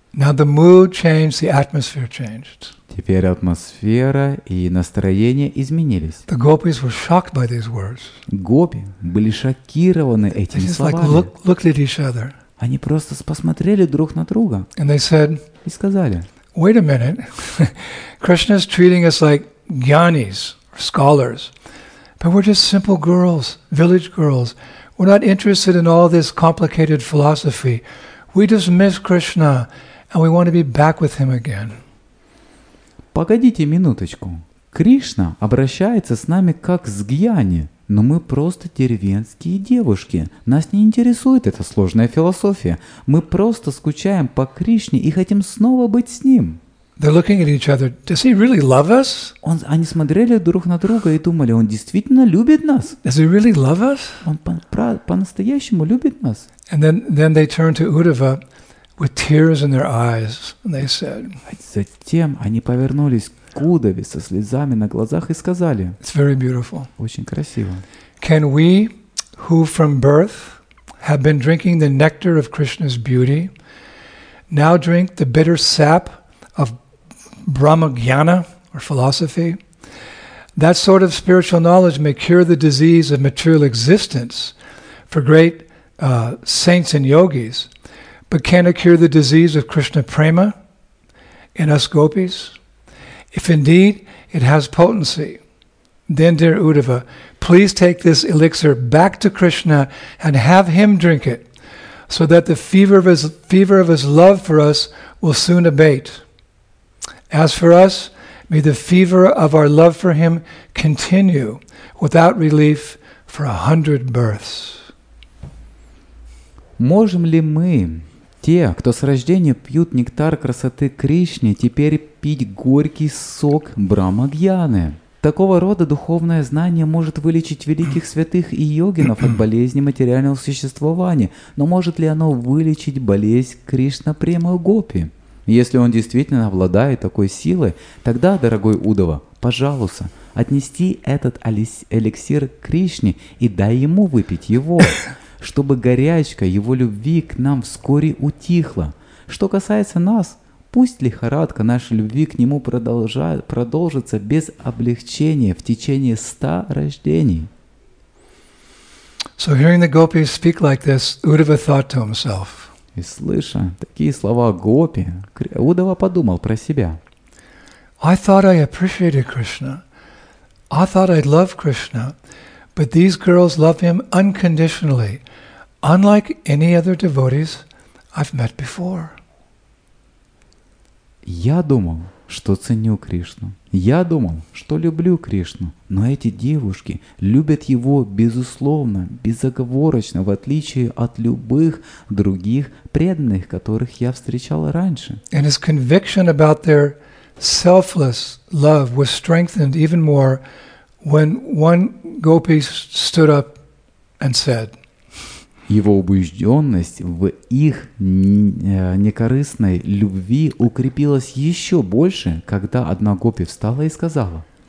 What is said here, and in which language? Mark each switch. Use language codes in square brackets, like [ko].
[en] Now the mood changed, the atmosphere changed. [ru] Теперь атмосфера и настроение изменились. [en] The gopis were shocked by these words. [ru] Гопи были шокированы этими словами. [en] They just [ru] словами. [en] Like looked at each other. [ru] Они просто посмотрели друг на друга. [en] And they said, [ru] и сказали, [en] Wait a minute, Krishna is treating us like gyanis, scholars, but we're just simple girls, village girls. We're not interested in all this complicated philosophy. We just miss Krishna, and we want to be back with him again. [ru] Погодите минуточку. Кришна обращается с нами как с гьяни, но мы просто деревенские девушки. Нас не интересует эта сложная философия. Мы просто скучаем по Кришне и хотим снова быть с ним. [en] They're looking at each other. Does he really love us? [ru] Они смотрели друг на друга и думали, он действительно любит нас? [en] Does he really love us? [ru] Он по-настоящему любит нас? [en] And then they turned to Uddhava with tears in their eyes, and they said, [ru] Затем они повернулись к Удаве со слезами на глазах и сказали, [en] It's very beautiful. [ru] Очень красиво. [en] Can we, who from birth have been drinking the nectar of Krishna's beauty, now drink the bitter sap of Brahmagyana, or philosophy? That sort of spiritual knowledge may cure the disease of material existence for great saints and yogis, but can it cure the disease of Krishna Prema in us gopis? If indeed it has potency, then, dear Uddhava, please take this elixir back to Krishna and have him drink it, so that the fever of his love for us will soon abate. As for us, may the fever of our love for him continue without relief for 100 births. [ru] Можем ли мы, те, кто с рождения пьют нектар красоты Кришны, теперь пить горький сок Брахмагьяны? Такого рода духовное знание может вылечить великих святых и йогинов от болезни материального существования, но может ли оно вылечить болезнь Кришна Према Гопи? Если он действительно обладает такой силой, тогда, дорогой Удава, пожалуйста, отнести этот эликсир к Кришне и дай ему выпить его, чтобы горячка его любви к нам вскоре утихла. Что касается нас, пусть лихорадка нашей любви к нему продолжится без облегчения в течение 100 рождений. [en] So hearing the gopis speak like this, Udhava thought to himself. [ru] И слыша такие слова гопи, Удава подумал про себя. [en] I thought I appreciated Krishna. I thought I loved Krishna. But these girls love him unconditionally, unlike any other devotees I've met before. [ru] Я думал, что ценю Кришну. Я думал, что люблю Кришну. Но эти девушки любят его безусловно, безоговорочно, в отличие от любых других преданных, которых я встречал раньше. [en] And his conviction about their selfless love was strengthened even more when one gopi stood up and said, [ru] Его убежденность в их некорыстной любви укрепилась еще больше, когда одна гопи встала и сказала: